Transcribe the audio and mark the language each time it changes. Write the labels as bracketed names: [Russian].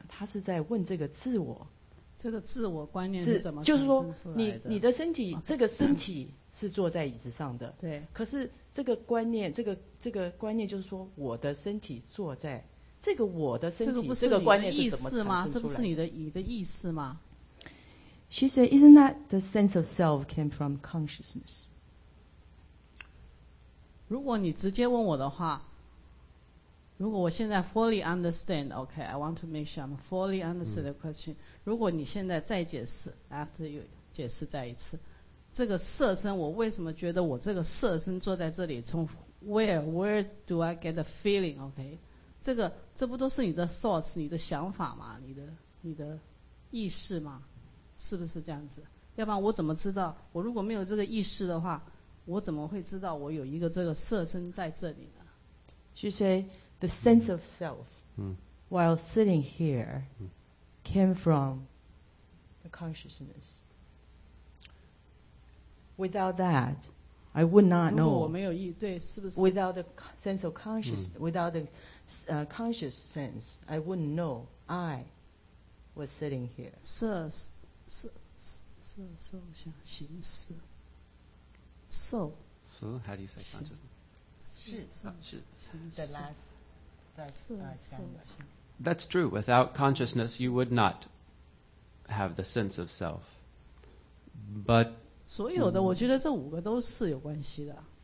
[Chinese] 他是在问这个自我。这个自我观念是怎么产生出来的？是，就是说你的身体，这个身体是坐在椅子上的，对，可是这个观念，这个观念就是说我的身体坐在这个我的身体，这个不是你的意识吗？这个观念是怎么产的？这不是你的意识吗？ [English] She said, isn't that the sense of self came from consciousness? [Chinese] 如果你直接问我的话，如果我现在 [English] fully understand, okay, I want to make sure I'm fully understand the question. [Chinese] 如果你现在再解释 ， [English] after you [Chinese] 解释再一次，这个色身，我为什么觉得我这个色身坐在这里？从 [English] where do I get the feeling? Okay, [Chinese] 这不都是你的 thoughts, 你的想法吗？你的意识吗？是不是这样子？要不然我怎么知道？我如果没有这个意识的话，我怎么会知道我有一个这个色身在这里呢 [English] ？She say the sense of self while sitting here. Came from the consciousness. Without that, I would not know. [Chinese] 如果我没有意对，是不是 [English] ？Without the sense of consciousness, without the conscious sense, I wouldn't know I was sitting here. [Chinese] 色，我想行识。So. [English] How do you say consciousness? 是。The last. That's consciousness. That's true. Without consciousness, you would not have the sense of self. But [Chinese] 所有的，我觉得这五个都是有关系的。